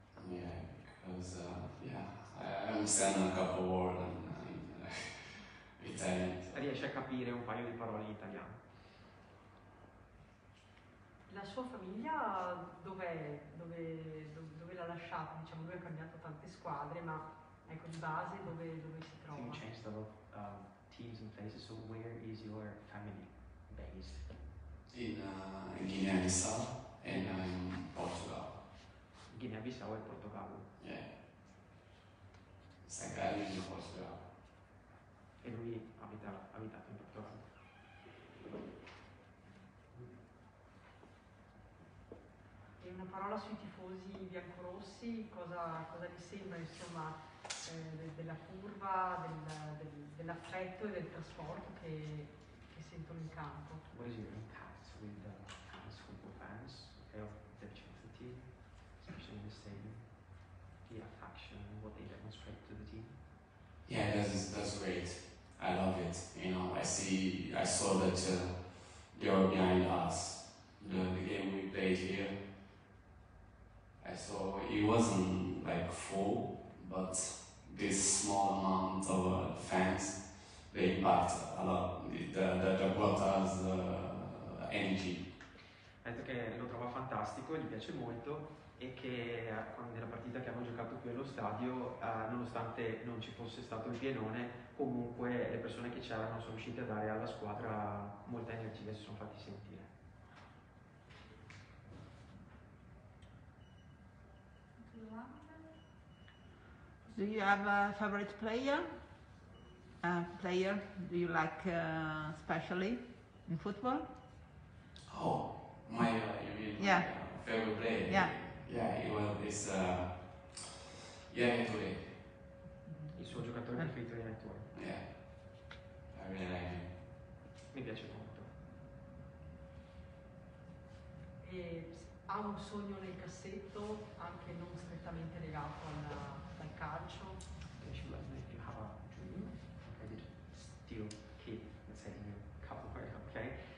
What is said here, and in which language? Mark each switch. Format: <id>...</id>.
<en>Yeah, because, I understand a couple words in Italian.</en> <it>Riesce a capire un paio di parole in italiano. La sua famiglia dov'è? Dove l'ha lasciata? Diciamo, lui ha cambiato tante squadre, ma ecco, di base dove si trova?</it> <en>You changed a lot of teams and places, so where is your family based? In Guinea-Bissau and in Portugal.</en> <it>Guinea-Bissau e Portogallo?</it> <en>Yeah. Sagrario in Portugal.</en> <it>E lui abitato in Portogallo. Una parola sui tifosi biancorossi, cosa vi sembra insomma della curva, dell'affetto e del trasporto che sentono in campo?</it> <en>What is your impact with the fans, football fans, of the Vicenza team, especially in the stadium, the affection, what they demonstrate to the team? Yeah, that's great. I love it. You know, I saw that they are behind us. The game we played here. So it wasn't like full, but this small amount of fans, they impact a lot. The brought us energy. Ha detto che lo trova fantastico, gli piace molto, e che nella partita che hanno giocato qui allo stadio, nonostante non ci fosse stato il pienone, comunque le persone che c'erano sono riuscite a dare alla squadra molta energia e si sono fatti sentire. Do you have a favorite player? A player do you like especially in football? Oh, my favorite player? Yeah, it was</en> <it>il suo giocatore preferito di Netflix.</it> <en>Yeah, I really like him.</en> <it>Mi piace molto. Ha un sogno nel cassetto, anche non strettamente legato al calcio.</it> <en>Okay, she was like, you have a dream, okay, did still keep, let's say, in your cup of work, okay?</en>